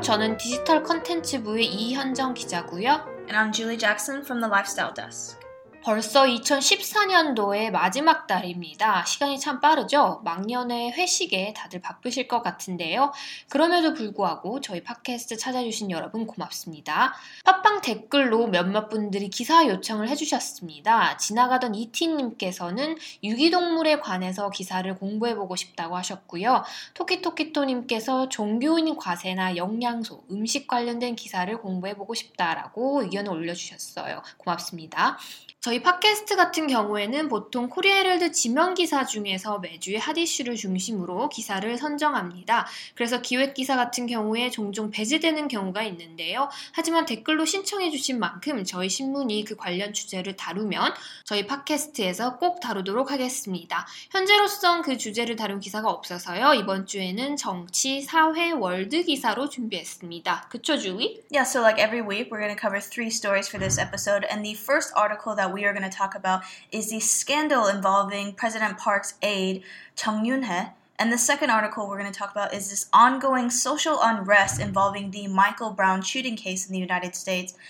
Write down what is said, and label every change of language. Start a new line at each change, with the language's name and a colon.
Korean: 저는 디지털 콘텐츠부의 이현정 기자고요.
English: And I'm Julie Jackson from the Lifestyle Desk.
Korean: 벌써 2014년도의 마지막 달입니다. 시간이 참 빠르죠? 막년의 회식에 다들 바쁘실 것 같은데요. 그럼에도 불구하고 저희 팟캐스트 찾아주신 여러분 고맙습니다. 팟빵 댓글로 몇몇 분들이 기사 요청을 해주셨습니다. 지나가던 이티님께서는 유기동물에 관해서 기사를 공부해보고 싶다고 하셨고요. 토끼토끼토님께서 종교인 과세나 영양소, 음식 관련된 기사를 공부해보고 싶다라고 의견을 올려주셨어요. 고맙습니다. 저희 팟캐스트 같은 경우에는 보통 코리아헤럴드 지명기사 중에서 매주의 핫이슈를 중심으로 기사를 선정합니다. 그래서 기획기사 같은 경우에 종종 배제되는 경우가 있는데요. 하지만 댓글로 신청해주신 만큼 저희 신문이 그 관련 주제를 다루면 저희 팟캐스트에서 꼭 다루도록 하겠습니다. 현재로선 그 주제를 다룬 기사가 없어서요. 이번 주에는 정치, 사회, 월드 기사로 준비했습니다. 그쵸, 주위?
English: Yeah, so like every week we're going to cover three stories for this episode and the first article that we are going to talk about is the scandal involving President Park's aide, Chung Yun-hae. And the second article we're going to talk about is this ongoing social unrest involving the Michael Brown shooting case in the United States.